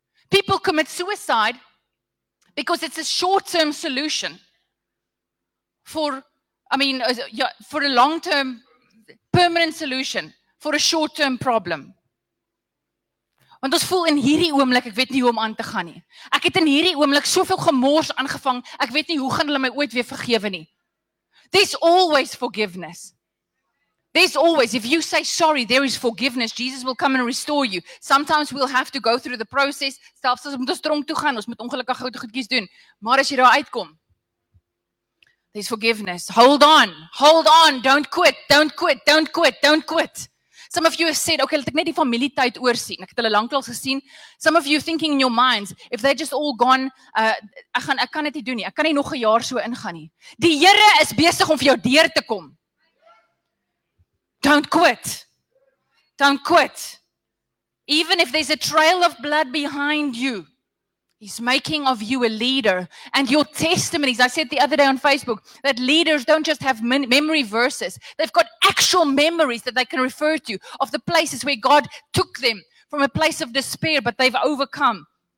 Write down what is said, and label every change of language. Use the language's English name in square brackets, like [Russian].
[English] People commit suicide because it's a short-term solution for a long-term permanent solution for a short-term problem. [Afrikaans] Want ons voel in hierdie oomblik, ek weet nie hoe om aan te gaan nie. Ek het in hierdie oomblik soveel gemors aangevang, ek weet nie hoe gaan hulle my ooit weer vergewe nie. [English] There's always forgiveness. There's always, if you say sorry, there is forgiveness. Jesus will come and restore you. Sometimes we'll have to go through the process. [Afrikaans] Selfs as ons dronk toe gaan, ons moet ongelukkig goute goedjies doen. Maar as jy daar uitkom, [English] there's forgiveness. Hold on. Hold on. Don't quit. Don't quit. Don't quit. Don't quit. Some of you have said, okay, let me [Afrikaans] die familie tyd oor sien. Ek het hulle lankal gesien. [English] Some of you thinking in your minds, if they're just all gone, [Afrikaans] ek kan dit nie doen nie. Ek kan nie nog 'n jaar so ingaan nie. Die Here is besig om vir jou deur te kom. [English] Don't quit. Don't quit. Even if there's a trail of blood behind you, He's making of you a leader. And your testimonies, I said the other day on Facebook, that leaders don't just have memory verses. They've got actual memories that they can refer to of the places where God took them from a place of despair, but they've overcome.